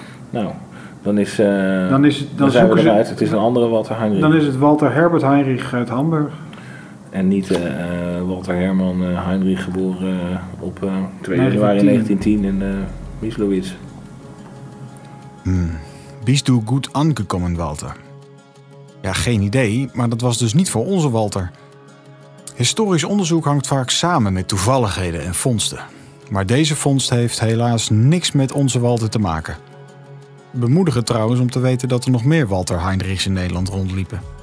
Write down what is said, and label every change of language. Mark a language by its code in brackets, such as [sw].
[nl] Nou, dan zoeken ze uit. Het is een andere Walter Heinrich. Dan is het Walter Herbert Heinrich uit Hamburg. En niet Walter Herman Heinrich, geboren op 2 januari 1910 in Mislowitz. [de] Bist du gut angekommen, Walter? [nl] Ja, geen idee, maar dat was dus niet voor onze Walter. Historisch onderzoek hangt vaak samen met toevalligheden en vondsten. Maar deze vondst heeft helaas niks met onze Walter te maken. Bemoedigend trouwens om te weten dat er nog meer Walter Heinrichs in Nederland rondliepen.